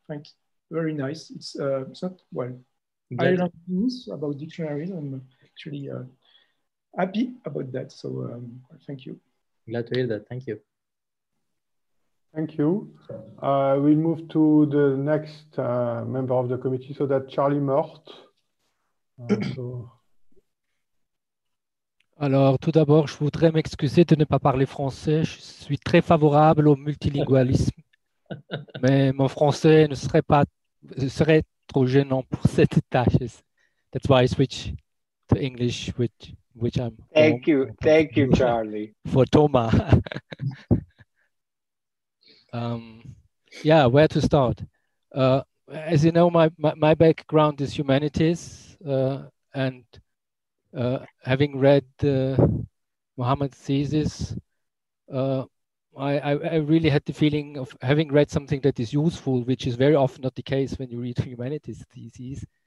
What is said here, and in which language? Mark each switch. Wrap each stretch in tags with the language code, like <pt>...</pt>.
<en>Thanks. Very nice. It's not well. Yeah. I learned things about dictionaries. I'm actually happy about that. So thank you. Glad to hear that. Thank you. Thank you. We'll move to the next member of the committee. So that's Charlie Mörth.</en> <fr>Alors, tout d'abord, je voudrais m'excuser de ne pas parler français. Je suis très favorable au multilingualisme, mais mon français ne serait pas serait trop gênant pour cette tâche.</fr> <en>That's why I switch to English, which I'm. Thank you, Charlie. For Toma. yeah, where to start? As you know, my background is humanities, and having read Mohamed's thesis, I really had the feeling of having read something that is useful, which is very often not the case when you read humanities theses.</en>